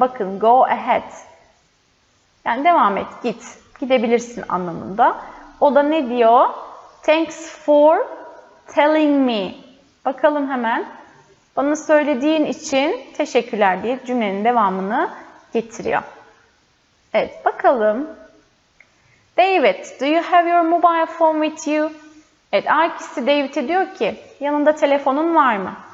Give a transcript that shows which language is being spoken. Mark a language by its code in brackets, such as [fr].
[tr] Bakın [en] go ahead. [tr] Yani devam et git. Gidebilirsin anlamında. O da ne diyor? [en] Thanks for telling me. [tr] Bakalım hemen. Bana söylediğin için teşekkürler diye cümlenin devamını getiriyor. Evet, bakalım. [en] David, do you have your mobile phone with you? [tr] Evet, A'kisi David'e diyor ki, yanında telefonun var mı?